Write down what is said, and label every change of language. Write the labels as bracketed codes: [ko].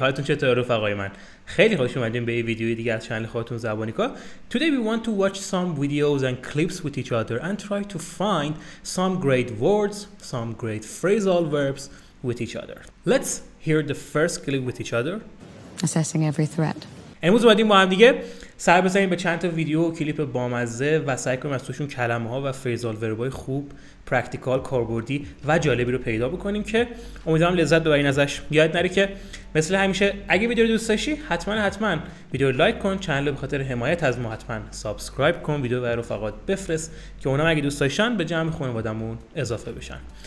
[fa] حالتون چطوره رفقای من؟ خیلی خوش اومدین به این ویدیوی دیگه از چنل خودتون زبانیکا. [en] Today we want to watch some videos and clips with each other and try to find some great words, some great phrasal verbs with each other. Let's hear the first clip with each other. Assessing every threat. [fa] امروز اومدیم با هم دیگه سر بزنیم به چند تا ویدیو و کلیپ بامزه و سعی کنیم از توشون کلمه ها و فریزال وربای خوب پرکتیکال کاربردی و جالبی رو پیدا بکنیم که امیدوارم لذت ببرین ازش. یاد نری که مثل همیشه اگه ویدیو رو دوست داشتی حتما ویدیو رو لایک کن، چنل رو به خاطر حمایت از ما حتما سابسکرایب کن، ویدیو برای رفقات بفرست که اونا اگه دوست داشتن به جمع خانوادمون اضافه بشن.